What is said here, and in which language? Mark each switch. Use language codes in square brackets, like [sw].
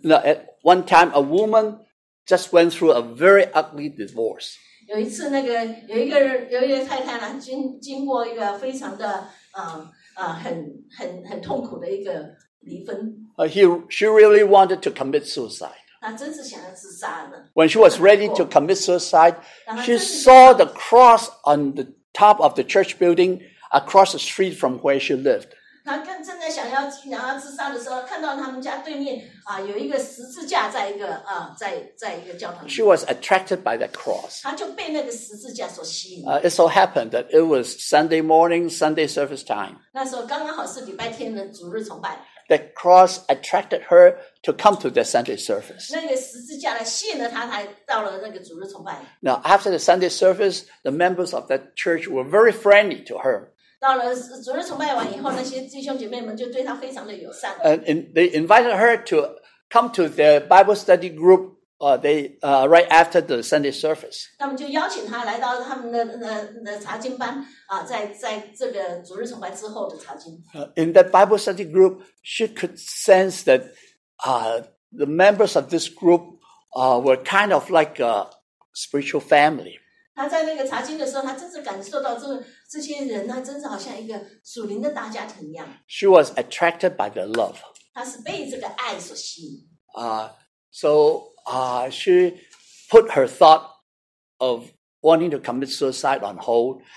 [zh] 那 [en] at one time, a woman just went through a very ugly divorce. [zh] 有一次，那个有一个太太呢，经过一个非常的很痛苦的一个离婚。 [en] She really wanted to commit suicide. [zh] 她真是想要自杀的。 [en] When she was ready to commit suicide, she saw the cross on the top of the church building. Across the street from where she lived. [zh] 她跟正在想要然后自杀的时候，看到他们家对面啊有一个十字架，在一个啊在一个教堂。 [en] She was attracted by that cross. [zh] 她就被那个十字架所吸引。 [en] It so happened that it was Sunday morning, Sunday service time. [zh] 那时候刚刚好是礼拜天的主日崇拜。 [en] That cross attracted her to come to the Sunday service. [zh] 那个十字架吸引了她，才到了那个主日崇拜。 [en] Now, after the Sunday service, the members of that church were very friendly to her. [zh] 到了主日崇拜完以后，那些弟兄姐妹们就对她非常的友善。 [en] And they invited her to come to their Bible study group right after the Sunday service. [zh] 他们就邀请她来到他们的查经班啊，在这个主日崇拜之后的查经。 [en] In that Bible study group, she could sense that the members of this group were kind of like a spiritual family. [zh] 她在那个查经的时候，她真是感受到这些人呢，真是好像一个属灵的大家庭一样。 [en] She was attracted by the love. [zh] 她是被这个爱所吸引。 [en] She put her thought of wanting to commit suicide on hold.